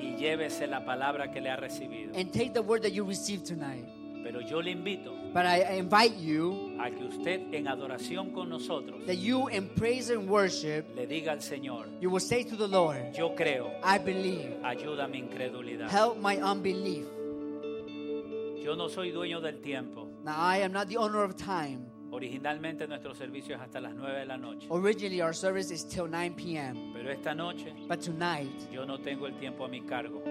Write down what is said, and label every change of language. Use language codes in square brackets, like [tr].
[es] Y llévese la palabra que le ha recibido. [en] And take the word that you received tonight. [es] Pero yo le invito, [en] but I invite you, [es] a que usted en adoración con nosotros, [en] that you in praise and worship, [es] le diga al Señor, [en] you will say to the Lord, [es] yo creo, [en] I believe, [es] ayuda mi incredulidad, [en] help my unbelief. [es] Yo no soy dueño del tiempo. [en] Now I am not the owner of time. [es] Originalmente nuestro servicio es hasta las 9 de la noche. [en] Originally our service is till 9 p.m. [es] Pero esta noche, [en] but tonight, [es] yo no tengo el tiempo a mi cargo.